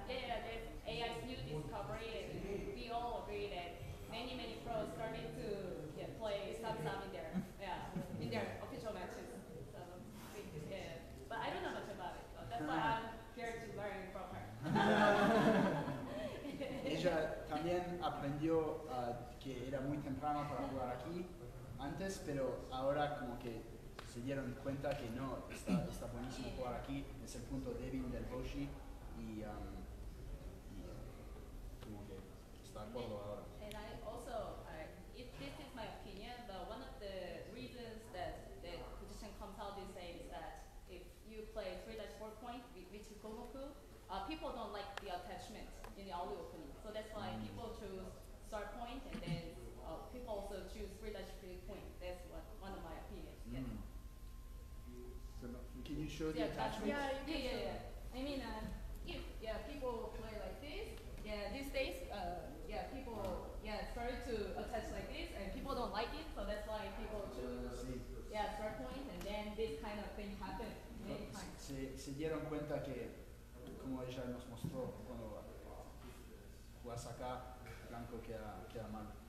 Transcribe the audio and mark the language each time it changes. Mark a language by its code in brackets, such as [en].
[en] Yeah, that AI's new discovery, and we all agree that many pros starting to play Samsung in their official matches. So, I think this, yeah. But I don't know much about it, so that's why I'm here to learn from her. [es] Ella también aprendió que era muy temprano para jugar aquí antes, pero ahora como que se dieron cuenta que no, está buenísimo jugar aquí, es el punto débil del Boshi y como que está de acuerdo ahora. [en] And I also, if this is my opinion, but one of the reasons that the position comes out this day is that if you play 3-4 point with Chikomoku, people don't like the attachment in the early opening. So that's why people choose start point and then people also choose 3-3 point. That's one of my opinions. Yeah. Mm. Can you show the attachment? Yeah. I mean, if people play like this, these days, people start to attach like this and people don't like it. So that's why people choose start point and then this kind of thing happens many times. [es] Se dieron cuenta que como ella nos mostró cuando jugás acá, blanco queda mal.